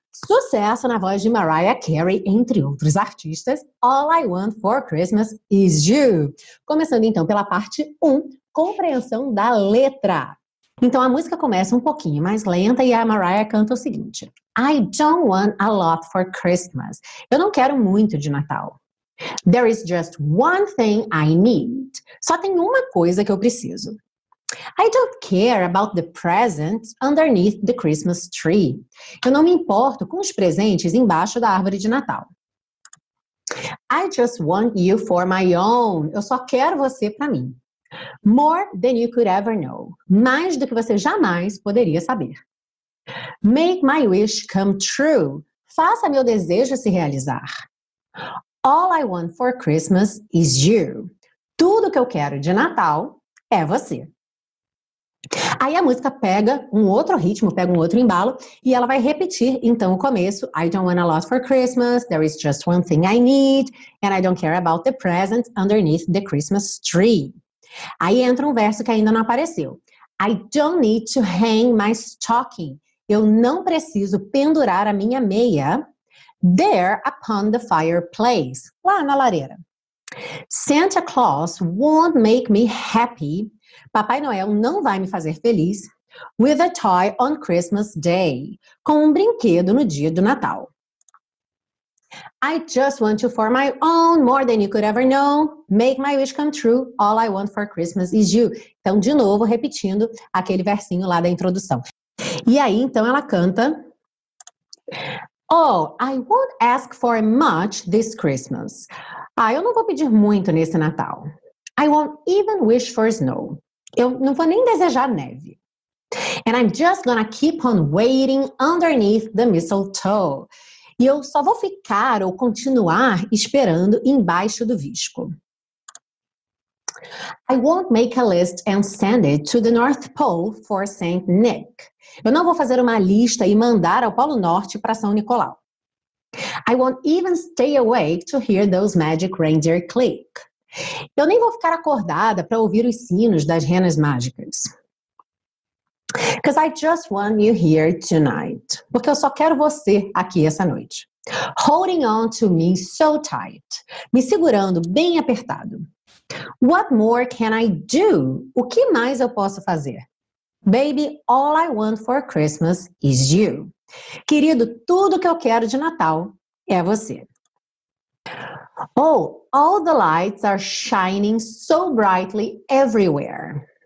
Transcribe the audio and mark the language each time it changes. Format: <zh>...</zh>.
<pt>Sucesso na voz de Mariah Carey, entre outros artistas, All I Want for Christmas is You. Começando então pela parte 1, compreensão da letra. Então a música começa um pouquinho mais lenta e a Mariah canta o seguinte:</pt> <en>I don't want a lot for Christmas.</en> <pt>Eu não quero muito de Natal.</pt> <en>There is just one thing I need.</en> <pt>Só tem uma coisa que eu preciso.</pt> <en>I don't care about the presents underneath the Christmas tree.</en> <pt>Eu não me importo com os presentes embaixo da árvore de Natal.</pt> <en>I just want you for my own.</en> <pt>Eu só quero você para mim.</pt> <en>More than you could ever know.</en> <pt>Mais do que você jamais poderia saber.</pt> <en>Make my wish come true.</en> <pt>Faça meu desejo se realizar.</pt> <en>All I want for Christmas is you.</en> <pt>Tudo que eu quero de Natal é você.</pt> <en>Aí a música pega um outro ritmo, pega um outro embalo e ela vai repetir então o começo. I don't want a lot for Christmas. There is just one thing I need. And I don't care about the presents underneath the Christmas tree.</en> <pt>Aí entra um verso que ainda não apareceu.</pt> <en>I don't need to hang my stocking.</en> <pt>Eu não preciso pendurar a minha meia</pt> <en>there upon the fireplace,</en> <pt>lá na lareira.</pt> <en>Santa Claus won't make me happy.</en> <pt>Papai Noel não vai me fazer feliz</pt> <en>with a toy on Christmas Day,</en> <pt>com um brinquedo no dia do Natal.</pt> <en>I just want to for my own, more than you could ever know. Make my wish come true. All I want for Christmas is you.</en> <pt>Então, de novo, repetindo aquele versinho lá da introdução. E aí, então, ela canta.</pt> <en>Oh, I won't ask for much this Christmas.</en> <pt>Ah, eu não vou pedir muito nesse Natal.</pt> <en>I won't even wish for snow.</en> <pt>Eu não vou nem desejar neve.</pt> <en>And I'm just gonna keep on waiting underneath the mistletoe.</en> <pt>E eu só vou ficar ou continuar esperando embaixo do visco.</pt> <en>I won't make a list and send it to the North Pole for Saint Nick.</en> <pt>Eu não vou fazer uma lista e mandar ao Polo Norte para São Nicolau.</pt> <en>I won't even stay awake to hear those magic reindeer click.</en> <pt>Eu nem vou ficar acordada para ouvir os sinos das renas mágicas.</pt> <en>Because I just want you here tonight.</en> <pt>Porque eu só quero você aqui essa noite.</pt> <en>Holding on to me so tight.</en> <pt>Me segurando bem apertado.</pt> <en>What more can I do?</en> <pt>O que mais eu posso fazer?</pt> <en>Baby, all I want for Christmas is you.</en> <pt>Querido, tudo que eu quero de Natal é você.</pt> <en>Oh, all the lights are shining so brightly everywhere.</en>